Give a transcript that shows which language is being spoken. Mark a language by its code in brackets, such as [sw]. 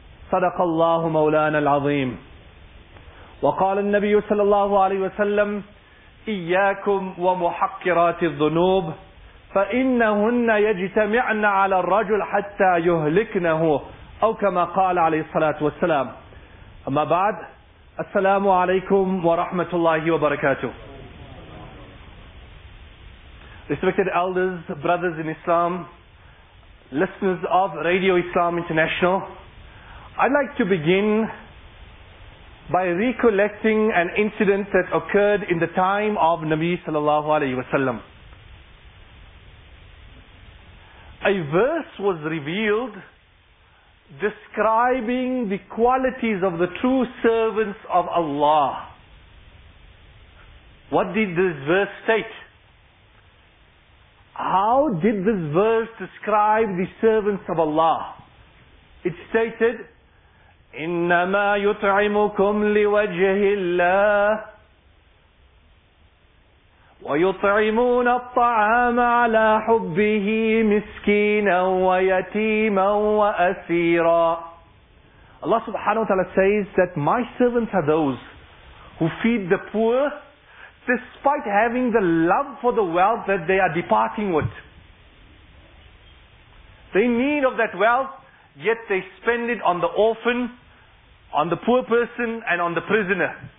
[ar] صدق الله مولانا العظيم. وقال النبي صلى الله عليه وسلم: إياكم ومحقرات الذنوب فإنهن يجتمعن على الرجل حتى يهلكنه، أو كما قال عليه الصلاة والسلام. أما بعد، السلام عليكم ورحمة الله وبركاته. [en] Respected elders, brothers in Islam, listeners of Radio Islam International, I'd like to begin by recollecting an incident that occurred in the time of Nabi sallallahu alayhi wa sallam. A verse was revealed describing the qualities of the true servants of Allah. What did this verse state? How did this verse describe the servants of Allah? It stated, [ar] إِنَّمَا يُطْعِمُكُمْ لِوَجْهِ اللَّهِ وَيُطْعِمُونَ الطَّعَامَ عَلَى حُبِّهِ مِسْكِينًا وَيَتِيمًا وَأَسِيرًا. [en] Allah subhanahu wa ta'ala says that my servants are those who feed the poor despite having the love for the wealth that they are departing with. They need of that wealth, yet they spend it on the orphan, on the poor person, and on the prisoner.